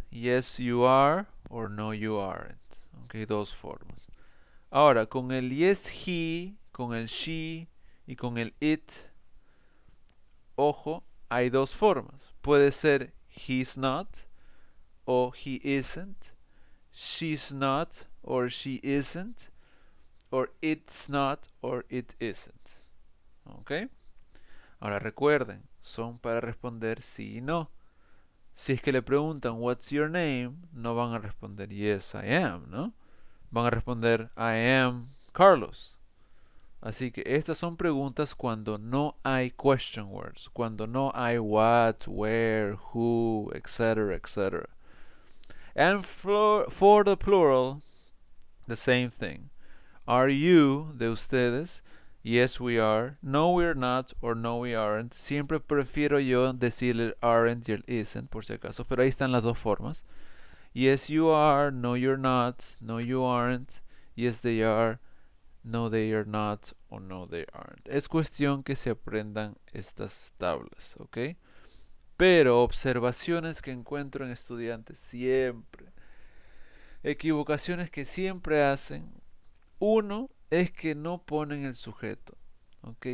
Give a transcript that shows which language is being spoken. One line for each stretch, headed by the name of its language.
English: Yes, you are, or no, you aren't.
Spanish: ¿Ok? Dos formas. Ahora, con el yes, he, con el she y con el it, ojo, hay dos formas.
English: Puede ser he's not o he isn't, she's not or she isn't, or it's not or it isn't.
Spanish: ¿Ok? Ahora recuerden, son para responder sí y no. Si es que le preguntan what's your name, no van a responder yes, I am, ¿no? Van a responder, I am Carlos. Así que estas son preguntas cuando no hay question words. Cuando no hay what, where, who, etc., etc.
English: And for the plural, the same thing. Are you, de ustedes, yes we are, no we're not, or no we aren't.
Spanish: Siempre prefiero yo decir el aren't y el isn't, por si acaso, pero ahí están las dos formas.
English: Yes you are, no you're not, no you aren't, yes they are, no they are not, or no they aren't.
Spanish: Es cuestión que se aprendan estas tablas, ¿ok? Pero observaciones que encuentro en estudiantes siempre, equivocaciones que siempre hacen, uno es que no ponen el sujeto, ¿ok?